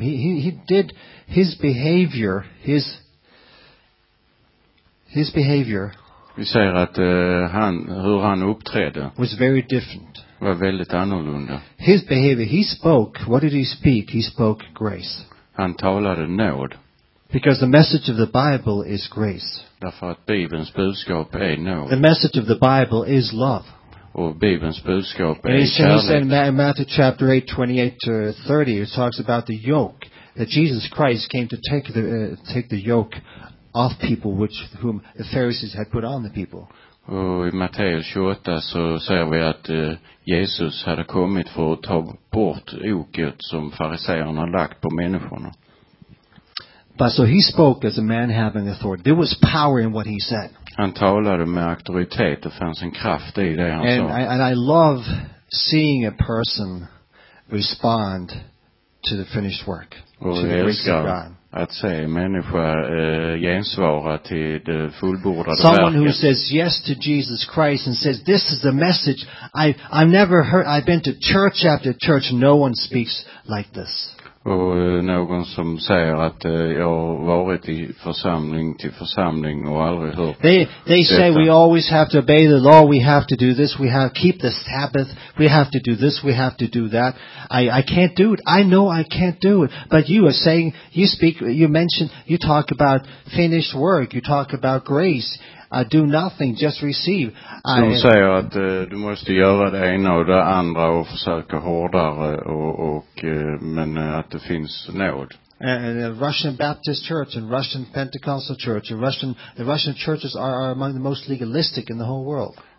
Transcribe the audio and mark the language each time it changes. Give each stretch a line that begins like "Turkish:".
English: He did his behavior, his behavior.
Swedish: Vi säger att hur han uppträdde
English: was very different.
Swedish: Var väldigt annorlunda.
English: His behavior, he spoke. What did he speak? He spoke grace.
Swedish: Han talade nåd.
English: Because the message of the Bible is grace.
Swedish: Därför att Bibelns budskap är nåd.
English: The message of the Bible is love.
Swedish: Och Bibelns budskap är kärlek.
English: And he says in Matthew chapter 8, 28 to 30, it talks about the yoke that Jesus Christ came to take the yoke off people whom the Pharisees had put on the people.
Swedish: Och i Matteus 28 så säger vi att Jesus hade kommit för att ta bort oket som fariseerna lagt på människorna.
English: But so he spoke as a man having authority. There was power in what he said.
Swedish: Han talade med auktoritet. Det fanns en kraft i det han sa.
English: And I love seeing a person respond to the finished work.
Swedish: Och
English: to the grace of God.
Swedish: Att se människor gensvara till det fullbordade verket.
English: Someone who says yes to Jesus Christ and says this is the message I've never heard. I've been to church after church. No one speaks like this.
Swedish: Och någon som säger att jag har varit i församling till församling och aldrig hört detta.
English: They say we always have to obey the law, we have to do this, we have to keep the Sabbath, we have to do this, we have to do that. I can't do it. I know I can't do it. But you are saying, you talk about finished work, you talk about grace. I do nothing, just receive.
Swedish: De säger att du måste göra det ena och det andra och försöka hårdare och men att det finns nåd.
English: And the Russian Baptist Church and Russian Pentecostal Church and the Russian churches are among the most legalistic in the whole world.